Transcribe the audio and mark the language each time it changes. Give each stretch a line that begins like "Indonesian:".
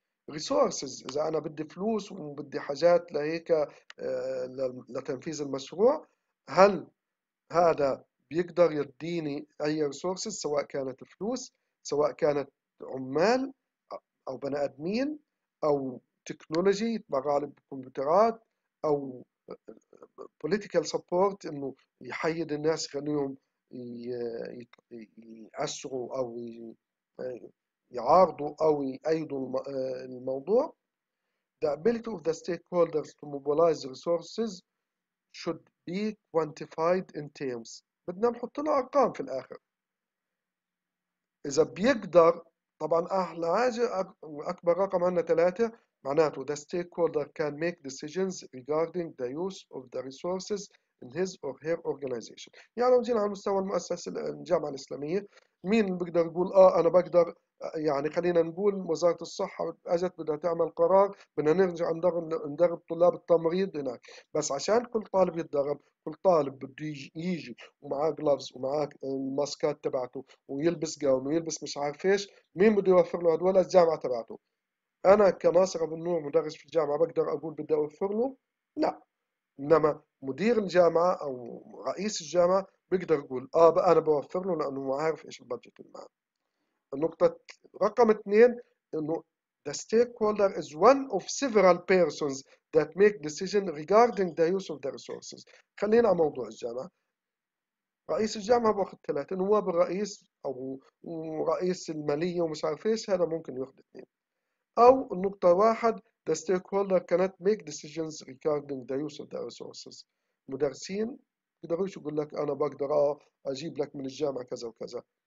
Arabic: ريسورسز اذا انا بدي فلوس وبدي حاجات لهيك لتنفيذ المشروع، هل هذا بيقدر يديني اي ريسورسز سواء كانت فلوس سواء كانت عمال او بني ادمين او تكنولوجي يتبرع لي بالكمبيوترات او بوليتيكال سبورت انه يحيد الناس يخليهم ياثروا او يعارضوا او يأيدوا الموضوع.
English: The ability of the stakeholders to mobilize resources should be quantified in terms.
Arabic: بدنا نحط له ارقام في الاخر. اذا بيقدر، طبعا احلى حاجه اكبر رقم عندنا 3 معناته
English: the stakeholder can make decisions regarding the use of the resources in his or her organization.
Arabic: يعني لو جينا على مستوى المؤسسه الجامعه الاسلاميه، مين بيقدر يقول انا بقدر؟ يعني خلينا نقول وزارة الصحة اجت بدها تعمل قرار بدنا نرجع ندرب طلاب التمريض هناك، بس عشان كل طالب يتدرب، كل طالب بده يجي ومعاه جلافز ومعاه الماسكات تبعته ويلبس جاون ويلبس مش عارف ايش، مين بده يوفر له هدول؟ الجامعة تبعته. انا كناصر ابو النور مدرس في الجامعة بقدر اقول بدي اوفر له؟ لا. انما مدير الجامعة او رئيس الجامعة بقدر اقول انا بوفر له لانه ما عارف ايش البادجت اللي معاه. النقطة رقم 2 انه
English: the stakeholder is one of several persons that make decision regarding the use of the resources.
Arabic: خلينا على موضوع الجامعة. رئيس الجامعة باخذ 3، نواب الرئيس او رئيس المالية ومش عارف ايش، هذا ممكن ياخذ 2. او النقطة 1
English: the stakeholder cannot make decisions regarding the use of the resources.
Arabic: مدرسين بيقدروش يقول لك انا بقدر اجيب لك من الجامعة كذا وكذا.